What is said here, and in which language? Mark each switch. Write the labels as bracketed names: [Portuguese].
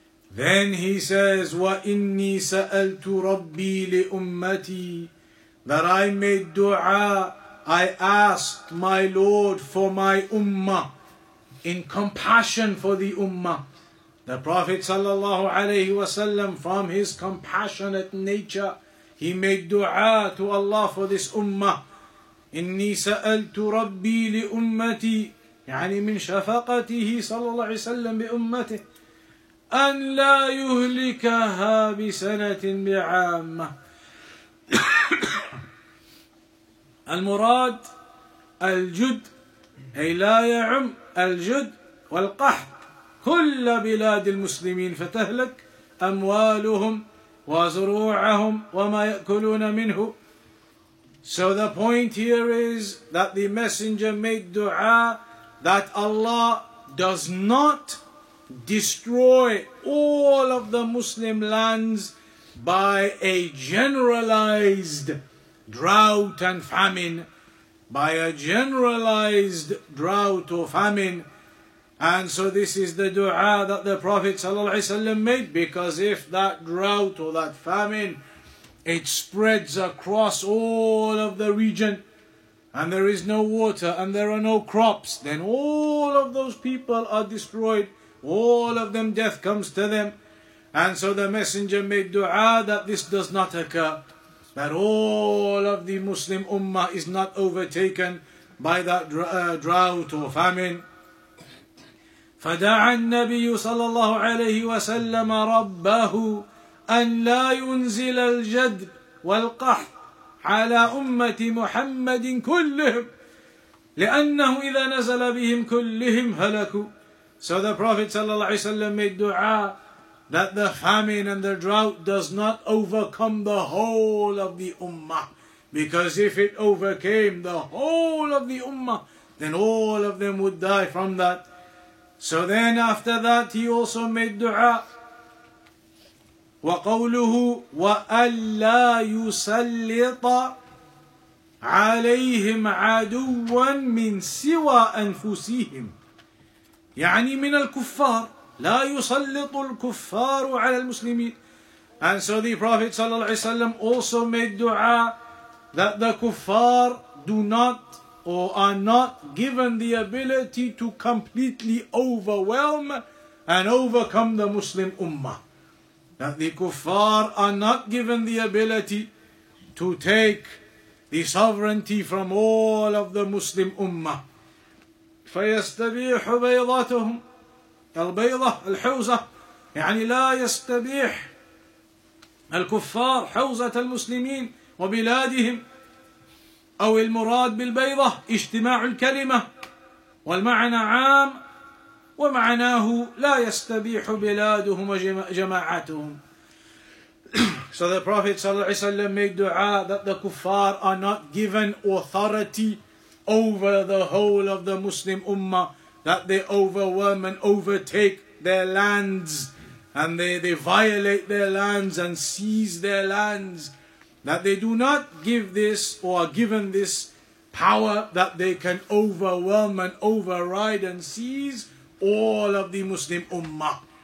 [English] Then he says, [Arabic] "Wa inni sa'altu Rabbi li ummati," [English] that I made dua, I asked my Lord for my ummah, in compassion for the ummah. The Prophet sallallahu alaihi wasallam, from his compassionate nature, he made dua to Allah for this ummah. [Arabic] إني سألت ربي لأمتي يعني من شفقته صلى الله عليه وسلم بأمته أن لا يهلكها بسنة بعامة. المراد الجد أي لا يعم الجد والقحط كل بلاد المسلمين فتهلك أموالهم وزروعهم وما يأكلون منه. [English] So the point here is that the messenger made dua that Allah does not destroy all of the Muslim lands by a generalized drought and famine, by a generalized drought or famine. And so this is the dua that the Prophet ﷺ made, because if that drought or that famine, it spreads across all of the region and there is no water and there are no crops, then all of those people are destroyed. All of them, death comes to them. And so the messenger made dua that this does not occur, that all of the Muslim ummah is not overtaken by that drought or famine. [Arabic] فَدَعَ النَّبِيُّ صَلَى اللَّهُ عَلَيْهِ وَسَلَّمَ رَبَّهُ أن لا ينزل الجد والقحط على أمة محمد كلهم لأنه إذا نزل بهم كلهم هلكوا. [English] So the Prophet صلى الله عليه وسلم made dua that the famine and the drought does not overcome the whole of the ummah, because if it overcame the whole of the ummah, then all of them would die from that. So then after that he also made dua. [Arabic] وقوله وألا يسلط عليهم عدوا من سوى أنفسهم يعني من الكفار. لا يسلط الكفار على المسلمين. [English] And so the Prophet صلى الله عليه وسلم also made dua that the kuffar do not or are not given the ability to completely overwhelm and overcome the Muslim ummah. That the kuffar are not given the ability to take the sovereignty from all of the Muslim ummah. [Arabic] فَيَسْتَبِيحُ بَيْضَتُهُمْ الْبَيْضَةُ الْحَوْزَةُ يعني لا يستبيح الكفار حوزة المسلمين وبلادهم أو المراد بالبيضة اجتماع الكلمة والمعنى عام ومعناه لا يستبيح بلادهم وجماعتهم. [English] So the Prophet ﷺ made dua that the kuffar are not given authority over the whole of the Muslim ummah, that they overwhelm and overtake their lands, and they violate their lands and seize their lands, that they do not give this or are given this power that they can overwhelm and override and seize all of the Muslim ummah.